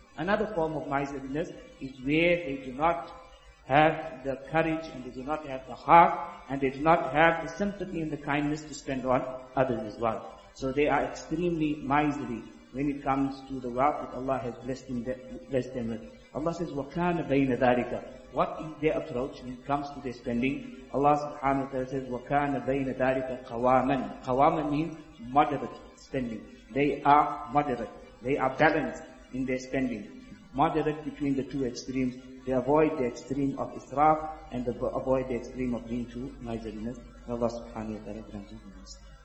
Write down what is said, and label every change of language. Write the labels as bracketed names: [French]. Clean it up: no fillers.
[English] Another form of miserliness is where they do not have the courage, and they do not have the heart, and they do not have the sympathy and the kindness to spend on others as well. So they are extremely miserly when it comes to the wealth that Allah has blessed them with. Allah says, [Arabic] وَكَانَ بَيْنَ ذَٰلِكَ. [English] What is their approach when it comes to their spending? Allah subhanahu wa ta'ala says, [Arabic] وَكَانَ بَيْنَ ذَٰلِكَ قَوَامًا. [English] قَوَامًا means moderate spending. They are moderate. They are balanced in their spending. Moderate between the two extremes. They avoid the extreme of israf and they avoid the extreme of being too miserliness. Allah subhanahu wa ta'ala grant you mercy.